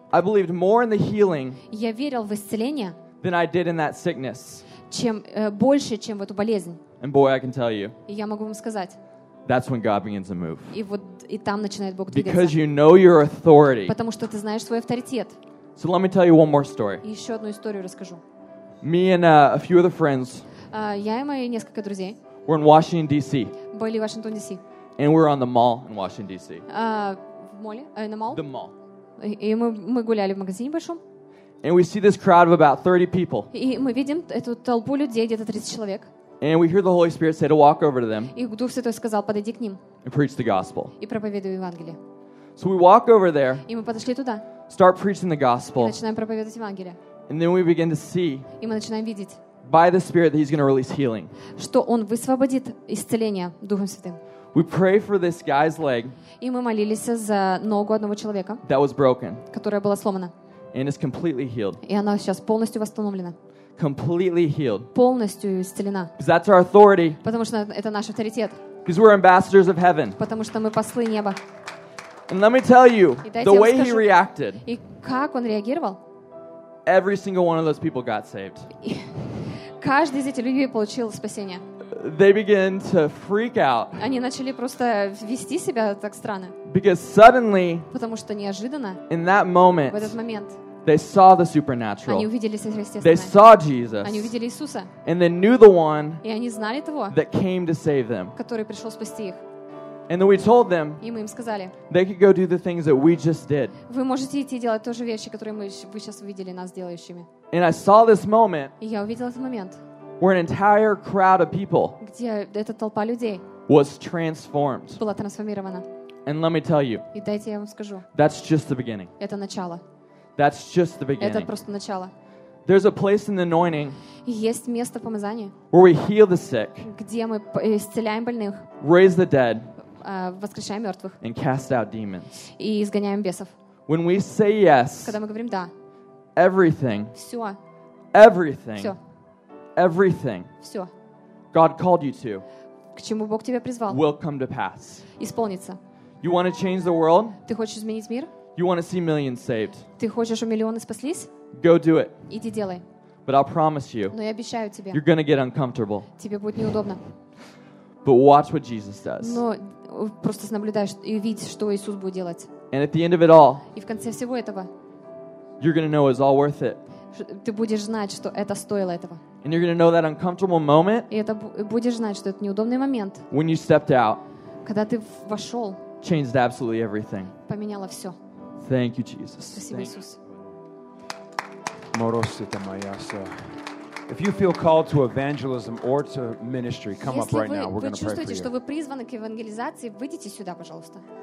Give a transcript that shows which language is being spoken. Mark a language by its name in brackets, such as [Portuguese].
[English] I believed more in the healing. [Russian] Я верил в исцеление. [English] Than I did in that sickness. [Russian] Чем больше, чем в эту болезнь. [English] And boy, I can tell you. [Russian] И я могу вам сказать. [English] That's when God begins to move. [Russian] И вот и там начинает Бог двигаться. [English] Because you know your authority. [Russian] Потому что ты знаешь свой авторитет. [English] So let me tell you one more story. [Russian] И еще одну историю расскажу. [English] Me and a few other friends. [Russian] Я и мои несколько друзей. [English] We're in Washington D.C. [Russian] Были в Вашингтоне, D.C. [English] And we're on the mall in Washington D.C. [Russian] В молле? На мол? [English] The mall. [Russian] И мы гуляли в магазине большом. [English] And we see this crowd of about 30 people. [Russian] И мы видим эту толпу людей, где-то 30 человек. [English] And we hear the Holy Spirit say to walk over to them. [Russian] И Дух Святой сказал: "Подойди к ним". [English] And preach the gospel. [Russian] И проповедуй Евангелие. [English] So we walk over there. [Russian] И мы подошли туда. [English] Start preaching the gospel. [Russian] И начинаем проповедовать Евангелие. [English] And then we begin to see. [Russian] И мы начинаем видеть. [English] By the Spirit that He's going to release healing. [Russian] Что Он высвободит исцеление Духом Святым. [English] We pray for this guy's leg. [Russian] И мы молились за ногу одного человека. [English] That was broken. [Russian] Которая была сломана. [English] And it's completely healed. [Russian] И она сейчас полностью восстановлена. [English] Completely healed. [Russian] Полностью исцелена. [English] Because that's our authority. [Russian] Потому что это наш авторитет. [English] Because we're ambassadors of heaven. [Russian] Потому что мы послы неба. [English] And let me tell you, the way [Russian] скажу, [English] he reacted. [Russian] И как он реагировал? [English] Every single one of those people got saved. [Russian] Каждый из этих людей получил спасение. [English] They began to freak out. [Russian] Они начали просто вести себя так странно. [English] Because suddenly, [Russian] потому что неожиданно, [English] in that moment, [Russian] в этот момент, [English] they saw the supernatural. [Russian] Они увидели сверхъестественное. [English] They saw Jesus. [Russian] Они увидели Иисуса. [English] And they knew the one. [Russian] И они знали того. [English] That came to save them. [Russian] Который пришел спасти их. [English] And then we told them. [Russian] И мы им сказали. [English] They could go do the things that we just did. [Russian] Вы можете идти делать те же вещи, которые вы сейчас увидели нас делающими. [English] And I saw this moment. [Russian] И я увидел этот момент. [English] Where an entire crowd of people. [Russian] Где эта толпа людей. [English] Was transformed. [Russian] Была трансформирована. [English] And let me tell you. [Russian] И дайте я вам скажу. [English] That's just the beginning. [Russian] Это начало. [English] That's just the beginning. [Russian] Это просто начало. [English] There's a place in the anointing. [Russian] Есть место в помазании. [English] Where we heal the sick. [Russian] Где мы исцеляем больных. [English] Raise the dead. [Russian] Воскрешаем мертвых. [English] And cast out demons. [Russian] И изгоняем бесов. [English] When we say yes. [Russian] Когда мы говорим да. [English] Everything. [Russian] Все. [English] Everything. [Russian] Все. [English] Everything. [Russian] Все. [English] God called you to. [Russian] К чему Бог тебя призвал? [English] Will come to pass. [Russian] Исполнится. [English] You want to change the world? [Russian] Ты хочешь изменить мир? [English] You want to see millions saved? [Russian] Ты хочешь, чтобы миллионы спаслись? [English] Go do it. [Russian] Иди делай. [English] But I promise you. [Russian] Но я обещаю тебе. [English] You're going to get uncomfortable. [Russian] Тебе будет неудобно. [English] But watch what Jesus does. [Russian] Но просто наблюдаешь и видишь, что Иисус будет делать. [English] And at the end of it all. [Russian] И в конце всего этого. [English] You're going to know it's all worth it. [Russian] Ты будешь знать, что это стоило этого. [English] And you're going to know that uncomfortable moment. [Russian] И это будешь знать, что это неудобный момент. [English] When you stepped out. [Russian] Когда ты вошел. [English] Changed absolutely everything. [Russian] Поменяло все. [English] Thank you, Jesus. [Russian] Спасибо, Иисус. [English] If you feel called to evangelism or to ministry, come up right now. We're going to pray for you. [Russian] Если вы чувствуете, что вы призваны к евангелизации, выйдите сюда, пожалуйста.